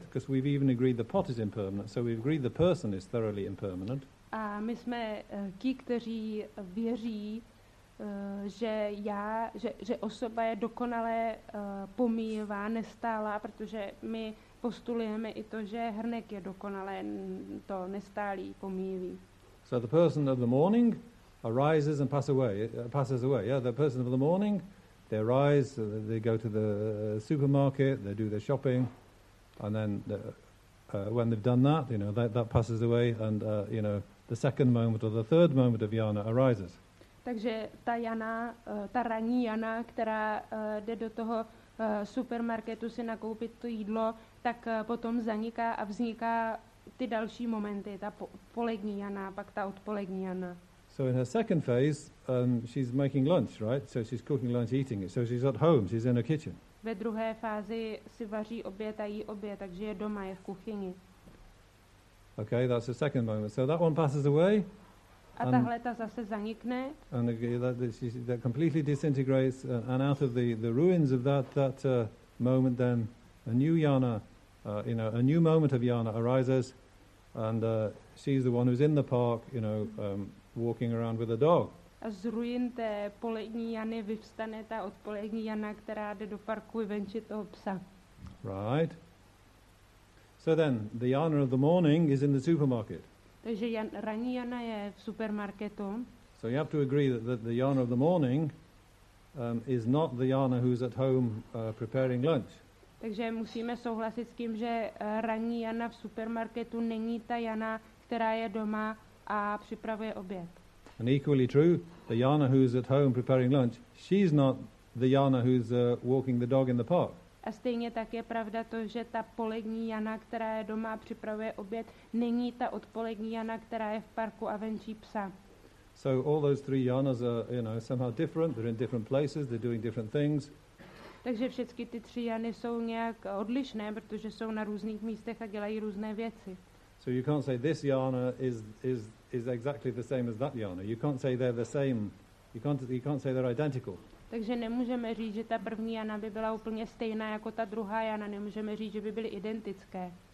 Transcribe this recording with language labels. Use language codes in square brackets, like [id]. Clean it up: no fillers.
[en] Because we've even agreed the pot is impermanent, so we've agreed the person is thoroughly impermanent. [cs] A my jsme ti, kteří věří, že osoba je dokonale pomíjivá, nestálá, protože my postulujeme i to, že hrnek je dokonale to nestálý, pomíjivý. [en] So the person of the morning arises and passes away. Yeah, the person of the morning, they arise, they go to the supermarket, they do their shopping, and then when they've done that, you know, that passes away, and you know, the second moment or the third moment of Jana arises. [cs] Takže ta Jana, ta ranní Jana, která jde do toho supermarketu si nakoupit to jídlo, tak potom zaniká a vzniká ty další momenty, ta polední Jana, pak ta odpolední Jana. [en] So in her second phase, she's making lunch, right? So she's cooking lunch, eating it. So she's at home, she's in her kitchen. [cs] Ve druhé fázi si vaří oběd a jí oběd, takže je doma, je v kuchyni. [en] Okay, that's the second moment. So that one passes away. [cs] A tahle ta zase zanikne. [en] And that completely disintegrates, and out of the ruins of that moment, then a new Jana, you know, a new moment of Jana arises, and she's the one who's in the park, you know, walking around with a dog. [cs] A z ruin té polední Jany vyvstane ta odpolední Jana, která jde do parku venčit toho psa. [en] Right. So then, the Jana of the morning is in the supermarket. [cs] Takže ranní Jana je v supermarketu. [en] So you have to agree that the Jana of the morning is not the Jana who's at home preparing lunch. [cs] Takže musíme souhlasit s tím, že ranní Jana v supermarketu není ta Jana, která je doma a připravuje oběd. [en] And equally true, the Jana who's at home preparing lunch, she's not the Jana who's walking the dog in the park. [cs] A stejně tak je pravda to, že ta polední Jana, která je doma a připravuje oběd, není ta odpolední Jana, která je v parku a venčí psa. [en] So all those three Janas are, you know, somehow different. They're in different places, they're doing different things. [cs] Takže všechny ty tři Jany jsou nějak odlišné, protože jsou na různých místech a dělají různé věci. [en] So you can't say this Jana is exactly the same as that Jana. You can't say they're the same. You can't say they're identical. [cs] Takže nemůžeme říct, že ta první Jana by byla úplně stejná jako ta druhá Jana. Nemůžeme říct, že by byly identické.